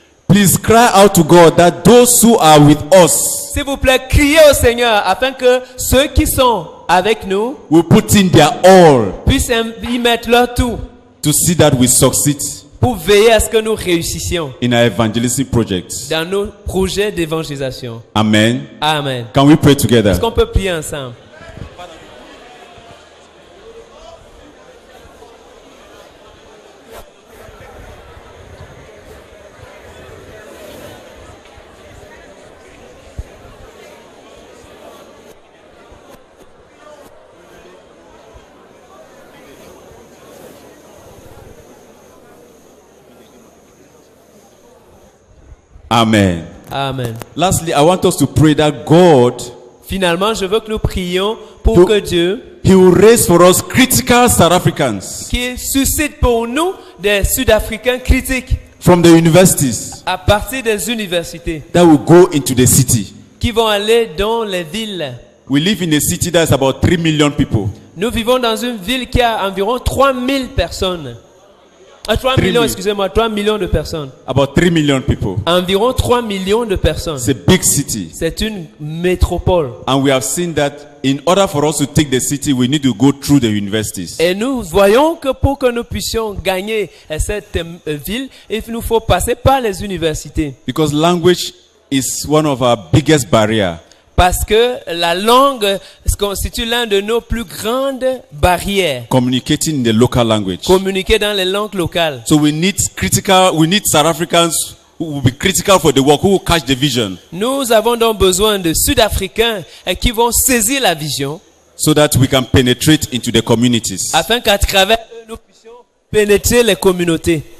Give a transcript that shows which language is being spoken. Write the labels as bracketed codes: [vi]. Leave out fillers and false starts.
[en] Please cry out to God that those who are with us. [fr] S'il vous plaît, criez au Seigneur afin que ceux qui sont avec nous [en] will put in their all. [fr] Puissent y mettre leur tout. [en] To see that we succeed. [fr] Pour veiller à ce que nous réussissions. [en] In our evangelistic projects. [fr] Dans nos projets d'évangélisation. [en] Amen. [fr] Amen. [en] Can we pray together? [fr] Est-ce qu'on peut prier ensemble? [en] Amen. [fr] Amen. [en] Lastly, I want us to pray that God. [fr] Finalement, je veux que nous prions pour que Dieu. [en] He will raise for us critical South Africans. [fr] Qui suscite pour nous des Sud-Africains critiques. [en] From the universities. [fr] À partir des universités. [en] That will go into the city. [fr] Qui vont aller dans les villes. [en] We live in a city that is about 3 million people. [fr] Nous vivons dans une ville qui a environ 3 000 personnes. 3 millions de personnes. [en] About 3 million people. [fr] Environ 3 millions de personnes. [en] It's a big city. [fr] C'est une métropole. [en] And we have seen that in order for us to take the city, we need to go through the universities. [fr] Et nous voyons que pour que nous puissions gagner cette ville, il nous faut passer par les universités. [en] Because language is one of our biggest barriers. [fr] Parce que la langue constitue l'un de nos plus grandes barrières. [en] Communicating in the local language. [fr] Communiquer dans les langues locales. [en] So we need critical, we need South Africans who will be critical for the work, who will catch the vision. [fr] Nous avons donc besoin de Sud-Africains qui vont saisir la vision. [en] So that we can penetrate into the communities. [fr] Afin qu'à travers eux, nous puissions pénétrer les communautés.